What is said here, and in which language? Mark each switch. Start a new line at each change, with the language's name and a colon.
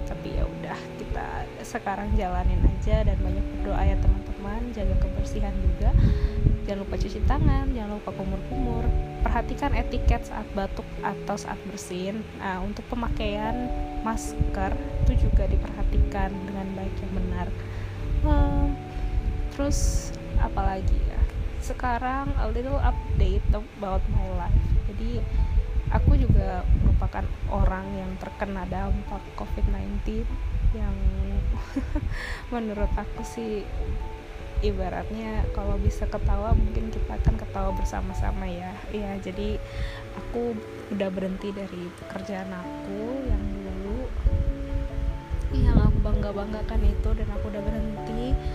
Indonesian: Tapi ya udah, kita sekarang jalanin aja dan banyak berdoa ya teman-teman, jaga kebersihan juga, jangan lupa cuci tangan, jangan lupa kumur-kumur. Perhatikan etiket saat batuk atau saat bersin. Nah, untuk pemakaian masker itu juga diperhatikan dengan baik yang benar. Terus apalagi ya?
English: Sekarang a little update about my life.
Indonesian: Jadi aku juga merupakan orang yang terkena dampak COVID-19 yang menurut aku sih ibaratnya kalau bisa ketawa mungkin kita akan ketawa bersama-sama ya. Ya, jadi aku udah berhenti dari pekerjaan aku yang dulu yang aku bangga-banggakan itu, dan aku udah berhenti.